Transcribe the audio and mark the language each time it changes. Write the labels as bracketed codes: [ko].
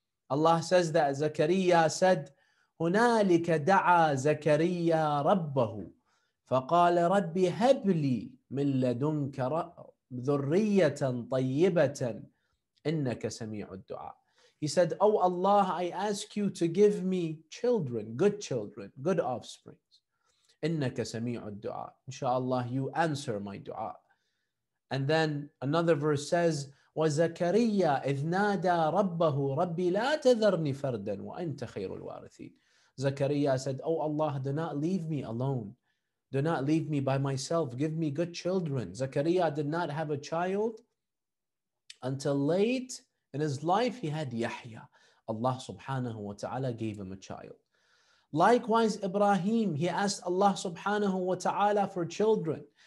[en] Allah says that Zakariya said, [ar] هُنَالِكَ دَعَى زَكَرِيَّا رَبَّهُ فَقَالَ رَبِّ هَبْ لِي مِنْ لَدُنْكَ ذُرِّيَّةً طَيِّبَةً إِنَّكَ سَمِيعُ الدُّعَى. [en] He said, Oh Allah, I ask you to give me children, good offsprings. [ar] إِنَّكَ سَمِيعُ الدُّعَى. [en] Inshallah, you answer my dua. And then another verse says, [ar] وَزَكَرِيَّا إِذْ نَادَى رَبَّهُ رَبِّ لَا تَذَرْنِي فَرْدًا وَأَنْتَ خَيْرُ الْوَارِثِينَ. [en] Zakariya said, Oh Allah, do not leave me alone. Do not leave me by myself. Give me good children. Zakariya did not have a child until late in his life. He had Yahya. Allah subhanahu wa ta'ala gave him a child. Likewise, Ibrahim, he asked Allah subhanahu wa ta'ala for children.